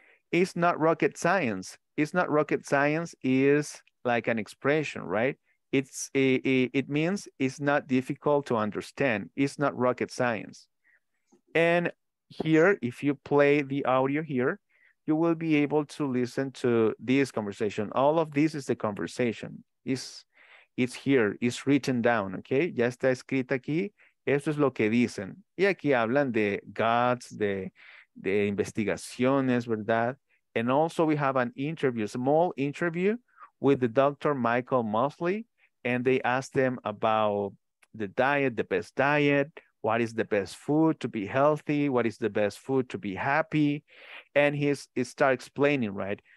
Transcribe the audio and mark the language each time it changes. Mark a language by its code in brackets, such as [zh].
[en] It's not rocket science. It's not rocket science is like an expression, right? It means it's not difficult to understand. It's not rocket science. And here, if you play the audio here, you will be able to listen to this conversation. All of this is the conversation. It's here, it's written down, okay? [es] Ya está escrito aquí, esto es lo que dicen. Y aquí hablan de gods, de investigaciones, ¿verdad? [en] And also we have an interview, small interview with the Dr. Michael Mosley, and they asked them about the diet, the best diet, what is the best food to be healthy, what is the best food to be happy, and he start explaining, right?